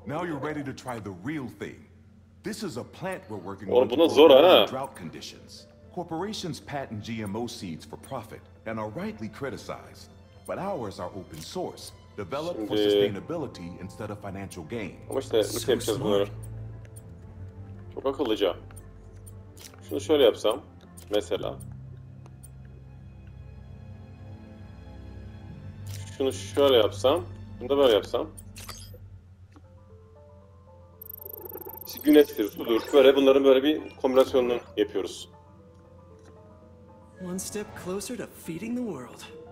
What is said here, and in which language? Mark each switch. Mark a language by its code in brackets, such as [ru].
[en] Now you're ready to try the real thing. This is a plant we're working [tr] on. Bunu zor ha. [en] Drought conditions. Corporations patent GMO seeds for profit and are rightly criticized. But ours are open source, developed for sustainability instead of financial gain. [tr] Ama işte nasıl yapacağız bunları? Çok akıllıca. Şunu şöyle yapsam mesela. Şunu şöyle yapsam, bunu da böyle yapsam. Güneştir, sudur. Böyle bunların böyle bir kombinasyonunu yapıyoruz. [en] One step closer to feeding the world.